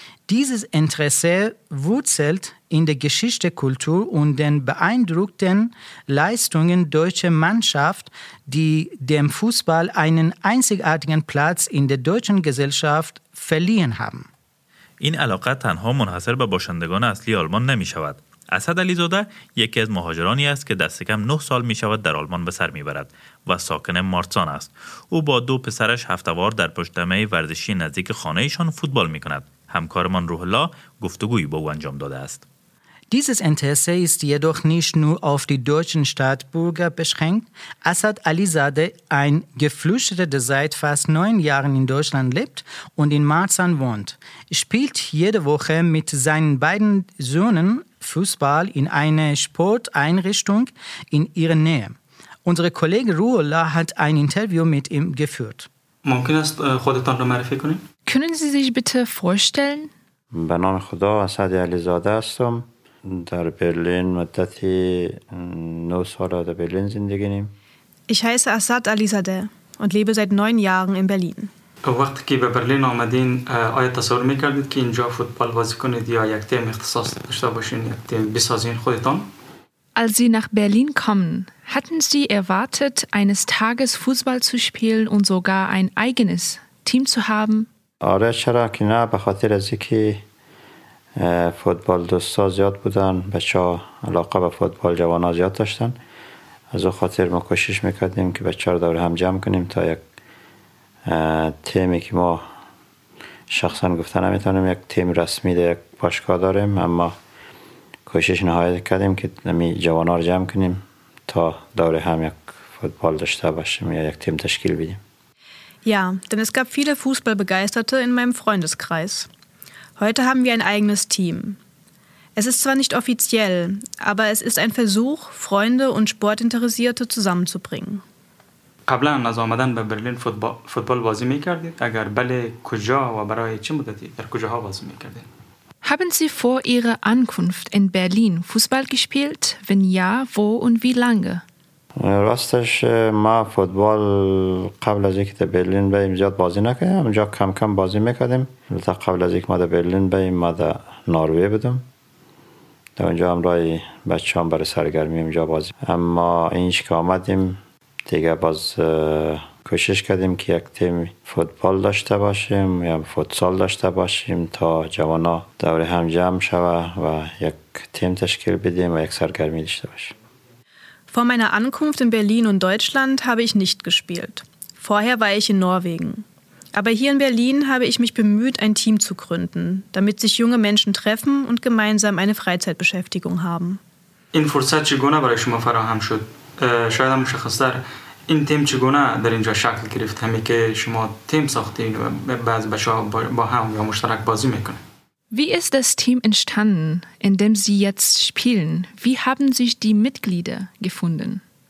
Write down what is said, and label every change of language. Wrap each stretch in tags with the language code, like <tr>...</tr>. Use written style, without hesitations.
<de>Dieses Interesse wurzelt in der Geschichte, Kultur und den beeindruckenden Leistungen deutscher Mannschaft, die dem Fußball einen einzigartigen Platz in der deutschen Gesellschaft verliehen haben.</de> <fa>این علاقه تنها منحصر به باشندگان اصلی آلمان نمی شود. اسد علیزاده یکی از مهاجرانی است که دست کم 9 سال می شود در آلمان به سر می برد و ساکن مارتان است. او با دو پسرش هفتوار در پشتمه ورزشی نزدیک خانه ایشان فوتبال می کند. همکارمان روح الله گفتگوی با او انجام داده است.</fa> <de>Dieses Interesse ist jedoch nicht nur auf die deutschen Staatsbürger beschränkt. Asad Alizadeh, ein Geflüchteter, der seit fast 9 Jahren in Deutschland lebt und in Marzahn wohnt, spielt jede Woche mit seinen beiden Söhnen Fußball in einer Sporteinrichtung in ihrer Nähe. Unser Kollege Ruhullah hat ein Interview mit ihm geführt. Können Sie sich bitte vorstellen? Mein Name ist Asad Alizadeh.</de> <fa>در برلین مدتی 9 سال در برلین زندگی نیم.</fa> <de>Ich heiße Asad Alizadeh und lebe seit 9 Jahren in Berlin.</de> <fa>وقتی که به برلین آمدین آیا تصور میکردید که اینجا فوتبال بازی کنید یا یک تیم اختصاص داشته باشین یک تیم بسازین خودتان؟</fa> <de>Als Sie nach Berlin kommen, hatten Sie erwartet, eines Tages Fußball zu spielen und sogar ein eigenes Team zu haben?</de> <fa>آره چرا که نه، به خاطر از اینکه فوتبال دوستا زیاد بودن، بچه ها علاقه به فوتبال جوان ها زیاد داشتن، از او خاطر ما کوشش میکردیم که بچه ها دور هم جمع کنیم تا یک تیمی که ما شخصا گفته نمیتونیم یک تیم رسمی در یک باشگاه داریم، اما کوشش نهایت کردیم که نمی جوان ها رو جمع کنیم تا دور هم یک فوتبال داشته باشیم یا یک تیم تشکیل بدیم.</fa> <de>Ja, denn es gab viele Fußballbegeisterte in meinem Freundeskreis. Heute haben wir ein eigenes Team. Es ist zwar nicht offiziell, aber es ist ein Versuch, Freunde und Sportinteressierte zusammenzubringen.</de> <fa>قبلا از آمدن به برلین فوتبال بازی میکردید؟ اگر بله، کجا و برای چه مدتی در کجاها بازی میکردید؟</fa> <de>Haben Sie vor Ihrer Ankunft in Berlin Fußball gespielt? Wenn ja, wo und wie lange?</de> <fa>راستش ما فوتبال قبل از اینکه در برلین بیم زیاد بازی نکردیم. اونجا کم کم بازی میکردیم. البته قبل از اینکه ما در برلین بیم ما در نروژ بودیم. در اونجا هم رای بچه هم برای سرگرمی اونجا بازی. اما اینش که آمدیم دیگه باز کوشش کردیم که یک تیم فوتبال داشته باشیم یا فوتسال داشته باشیم تا جوان ها دور هم جمع شوه و یک تیم تشکیل بدیم و یک سرگرمی داشته باشیم.</fa> <de>Vor meiner Ankunft in Berlin und Deutschland habe ich nicht gespielt. Vorher war ich in Norwegen. Aber hier in Berlin habe ich mich bemüht, ein Team zu gründen, damit sich junge Menschen treffen und gemeinsam eine Freizeitbeschäftigung haben.</de> <fa>این فرصت چگونه برای شما فراهم شد؟ شاید هم مشخص‌تر این تیم چگونه در اینجا شکل گرفت؟ همی که شما تیم ساختین و بعض بچه‌ها با هم یا مشترک بازی میکنن.</fa> <de>Wie ist das Team entstanden, in dem Sie jetzt spielen? Wie haben sich die Mitglieder gefunden?</de>